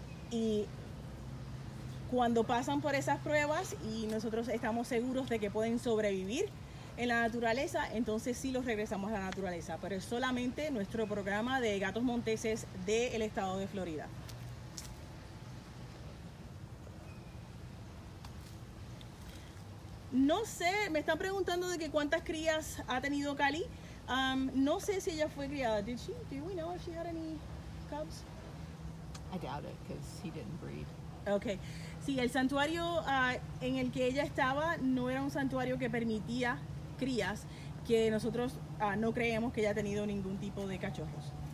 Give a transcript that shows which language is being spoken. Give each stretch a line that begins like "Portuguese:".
Spanish: Y cuando pasan por esas pruebas y nosotros estamos seguros de que pueden sobrevivir en la naturaleza, entonces sí los regresamos a la naturaleza, pero es solamente nuestro programa de gatos monteses del estado de Florida. No sé, me están preguntando de que cuántas crías ha tenido Cali. No sé si ella fue criada.
English: Did she? Do we know if she had any cubs? I doubt it, because he didn't breed. Okay.
Spanish: Sí, el santuario en el que ella estaba no era un santuario que permitía crías, que nosotros no creemos que haya tenido ningún tipo de cachorros.